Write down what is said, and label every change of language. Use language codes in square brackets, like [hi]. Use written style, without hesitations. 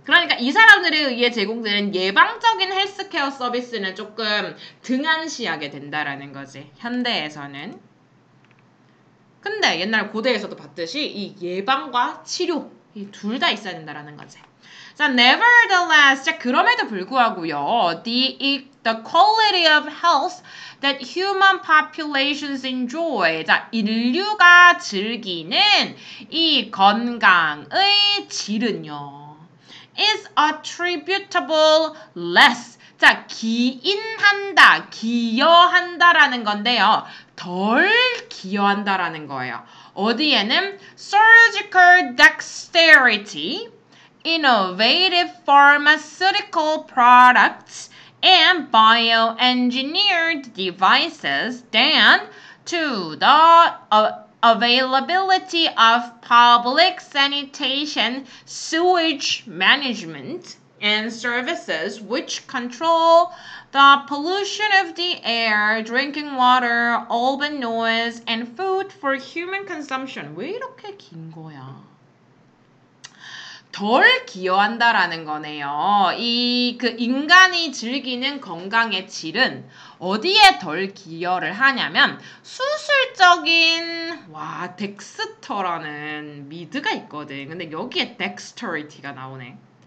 [ko] 그러니까 이 사람들에 의해 제공되는 예방적인 헬스케어 서비스는 조금 등한시하게 된다라는 거지. 현대에서는. 근데 옛날 고대에서도 봤듯이 이 예방과 치료 이 둘 다 있어야 된다라는 거지. 자, nevertheless, 자, 그럼에도 불구하고요. [en] The quality of health that human populations enjoy. [ko] 자, 인류가 즐기는 이 건강의 질은요. [en] is attributable less. [ko] 자, 기인한다, 기여한다라는 건데요. 덜 기여한다라는 거예요. [en] 어디에는 surgical dexterity, innovative pharmaceutical products, and bioengineered devices than to the availability of public sanitation, sewage management, and services which control the pollution of the air, drinking water, urban noise, and food for human consumption. [ko] 왜 이렇게 긴 거야? 덜 기여한다라는 거네요. 이그 인간이 즐기는 건강의 질은 어디에 덜 기여를 하냐면 수술적인 와 덱스터라는 미드가 있거든. 근데 여기에 덱스터리티가 나오네.